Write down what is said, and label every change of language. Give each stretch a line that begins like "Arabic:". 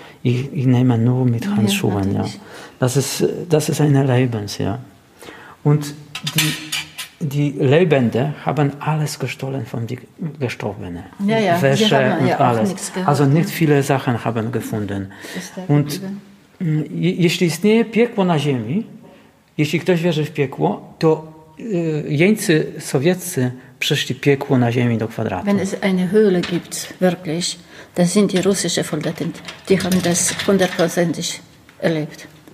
German: Ich nehme nur mit Handschuhen. Ja, ja. Das ist ein Erlebnis, ja. Und die Lebenden haben alles gestohlen von den Gestorbenen. Ja, ja. Wäsche haben, und ja, alles. Also nicht viele Sachen haben gefunden.
Polish: Und jeśli istnieje piekło na ziemi, jeśli ktoś wierzy w piekło, to jeńcy sowieccy przeszli piekło na ziemi do kwadratu.
German: Wenn es eine Höhle gibt, wirklich, das sind die russischen Soldaten, die haben das hundertprozentig erlebt.